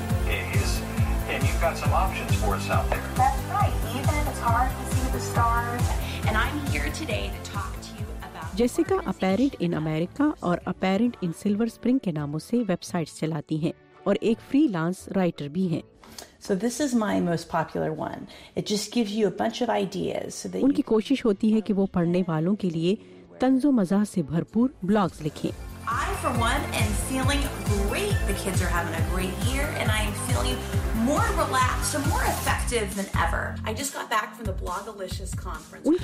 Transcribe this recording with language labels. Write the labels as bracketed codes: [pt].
[en] And you've got some options for us out there. That's right. Even if it's hard to see the stars, and I'm here today to talk. [ur] جیسیکا apparent ان امریکہ اور apparent ان silver spring کے ناموں سے web sites چلاتی ہیں اور ایک free lance writer بھی ہیں. [en] So this is my most popular one. It just gives you a bunch of ideas. [ur] ان کی کوشش ہوتی ہے کہ وہ پڑھنے والوں کے لیے طنز و مزاح سے بھرپور بلاگز لکھیں. [en] I for one am feeling great. The kids are having a great year and I am feeling more relaxed and more effective than ever. I just got back from the Blogalicious conference.